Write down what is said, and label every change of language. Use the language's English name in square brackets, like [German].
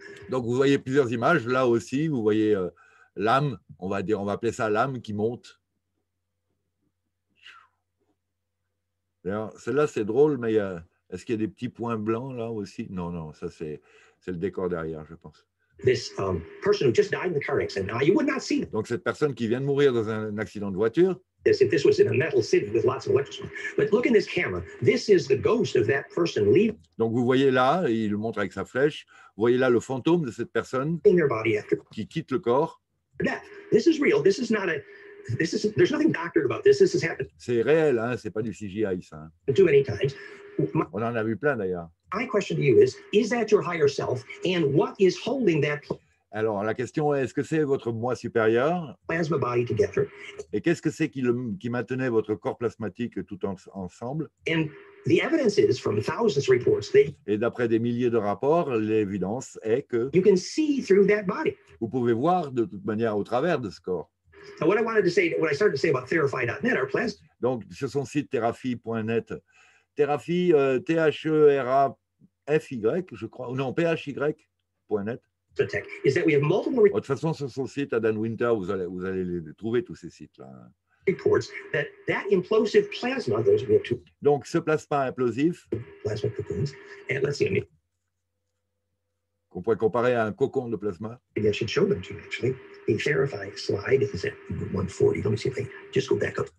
[French] Donc vous voyez plusieurs images là aussi. Vous voyez l'âme, on va appeler ça l'âme qui monte. Alors, celle-là c'est drôle, mais est-ce qu'il y a des petits points blancs là aussi? Non, ça c'est le décor derrière, je pense. [English] This person who just died in the car accident. Now you would not see them. [French] Donc cette personne qui vient de mourir dans un accident de voiture. [English] If this was in a metal city with lots of electrical. But look in this camera. This is the ghost of that person leaving. [French] Donc vous voyez là, il le montre avec sa flèche. Vous voyez là le fantôme de cette personne qui quitte le corps. [English] This is real. This is not a. This is. There's nothing doctored about this. This has happened. [French] C'est réel, hein. C'est pas du CGI, ça. Hein. [English] Too many times. [French] On en a vu plein d'ailleurs. [English] My question to you is that your higher self, and what is holding that? [French] Alors la question est, est-ce que c'est votre moi supérieur? [English] Plasma body together. [French] Et qu'est-ce que c'est qui maintenait votre corps plasmatique tout ensemble? [English] And the evidence is from thousands of reports. [French] Et d'après des milliers de rapports, l'évidence est que [English] you can see through that body. [French] Vous pouvez voir de toute manière au travers de ce corps. [English] So what I wanted to say, what I started to say about therafi.net, our plasma. [French] Donc sur son site therafi.net. Therafi, T-H-E-R-A-F-Y, je crois, ou non, P-H-Y.net. De toute façon, sur son site, Adam Winter, vous allez trouver tous ces sites-là. [English] That implosive plasma, those we have two. [French] Donc, ce plasma implosif, [English] plasma cocoons, and let's see, [French] qu'on pourrait comparer à un cocon de plasma. [English] Maybe I should show them to you, actually. The Therafi slide is at 140. Let me see if I just go back up.